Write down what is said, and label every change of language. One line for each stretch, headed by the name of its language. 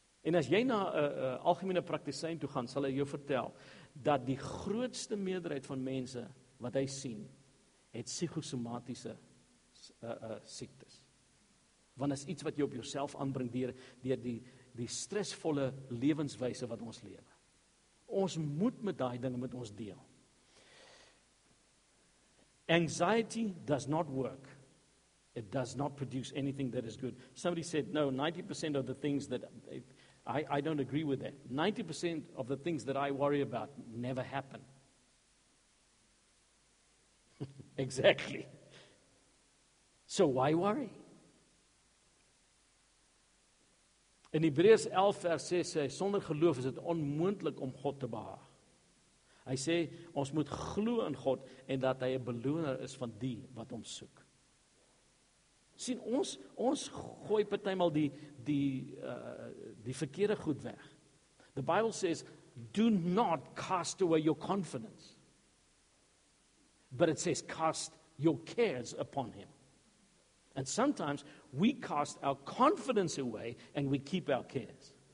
Afrikaans: En as jy na 'n algemene praktisyn toe gaan, sal hy jou vertel, dat die grootste meerderheid van mense, wat hy sien, het psigosomatiese siektes. Want is iets wat jy op jouself aanbring deur die stresvolle lewenswyse wat ons lewe. Ons moet met daai dinge met ons deel.
English: Anxiety does not work. It does not produce anything that is good. Somebody said, no, 90% of the things that I don't agree with that. 90% of the things that I worry about never happen. Exactly. So why worry?
Afrikaans: In Hebreërs 11 vers 6 sê hy, sonder geloof is het onmoontlik om God te behaag. Hy sê, ons moet glo in God en dat hy 'n beloner is van die wat ons soek. Sien, ons gooi partymal die verkeerde goed weg.
English: The Bible says, do not cast away your confidence. But it says, cast your cares upon him. And sometimes we cast our confidence away and we keep our cares.